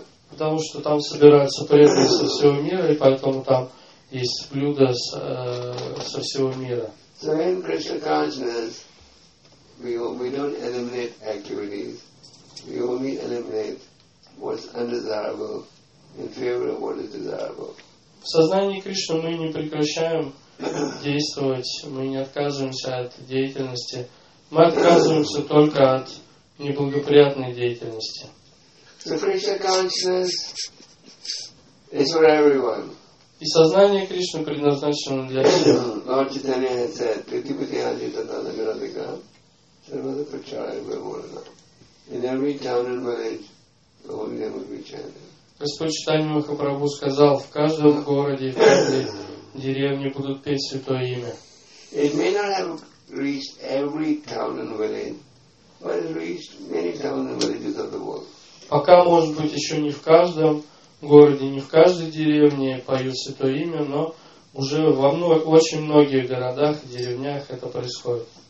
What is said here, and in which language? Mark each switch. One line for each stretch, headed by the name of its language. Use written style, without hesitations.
Russian: Потому что там собираются преданные со всего мира, и поэтому там есть блюда со всего мира.
English: So in Krishna consciousness, we don't eliminate activities. We only eliminate what's undesirable in favor of what is desirable.
Russian: В сознании Кришны мы не прекращаем действовать, мы не отказываемся от деятельности. Мы отказываемся только от неблагоприятной деятельности.
English: So Krishna consciousness is for everyone.
Russian: И сознание Кришны предназначено для всех.
English: Lord Chaitanya has said, Pritipatiyajitatanagaradhika, in every town and village, the holy name will be chanted.
Russian: Господь Чайтанья Махапрабху сказал, в каждом городе, в каждой деревне будут петь Святое Имя.
English: It may not have reached every town and village, but it reached many towns and villages of the world.
Russian: Пока, может быть, еще не в каждом городе, не в каждой деревне поют Святое Имя, но уже во очень многих городах и деревнях это происходит.